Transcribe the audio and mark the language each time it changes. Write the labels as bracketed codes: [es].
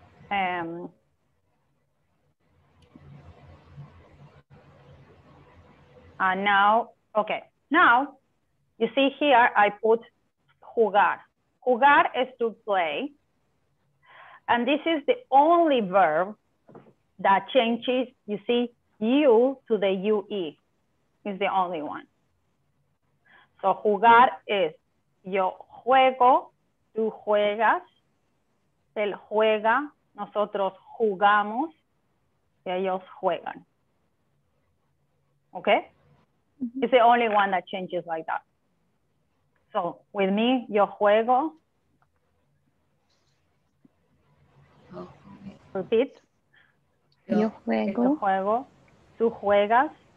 [en] And now, okay. Now, you see here, I put jugar. Jugar is to play. And this is the only verb that changes, you see, you to the UE. It's the only one. [es] So jugar is yo juego, tú juegas, él juega, nosotros jugamos, y ellos juegan. [en] Okay? Mm-hmm. It's the only one that changes like that. So with me, [es] yo juego. [en] Repeat. [es] Yo juego. Yo juego. Tú juegas.